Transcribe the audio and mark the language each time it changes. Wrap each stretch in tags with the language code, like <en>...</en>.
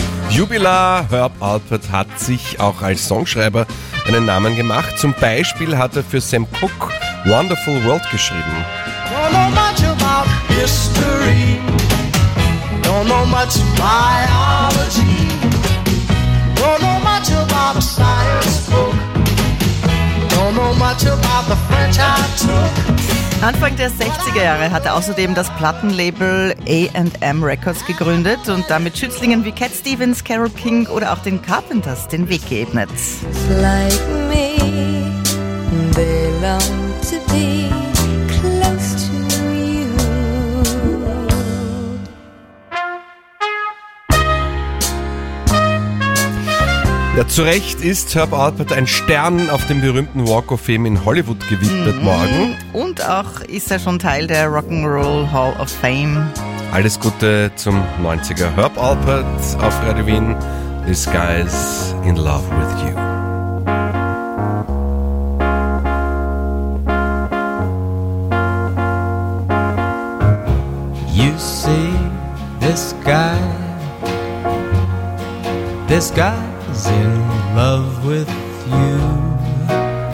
<de>Jubilar Herb Alpert hat sich auch als Songschreiber einen Namen gemacht. Zum Beispiel hat er für Sam Cooke Wonderful World geschrieben.</de> <en>Don't know much about history, don't know much biology, don't know much about a science book, don't know much about the French I took.</en> <de>Anfang der 60er Jahre hat er außerdem das Plattenlabel A&M Records gegründet und damit Schützlingen wie Cat Stevens, Carole King oder auch den Carpenters den Weg geebnet.</de> <en>Like me, they long to be close to you.</en> <de>Ja, zu Recht ist Herb Alpert ein Stern auf dem berühmten Walk of Fame in Hollywood gewidmet morgen. Und auch ist er schon Teil der Rock'n'Roll Hall of Fame. Alles Gute zum 90er Herb Alpert auf Radio Wien.</de> <en>This guy's in love with you. You see this guy, this guy's in love with you.</en>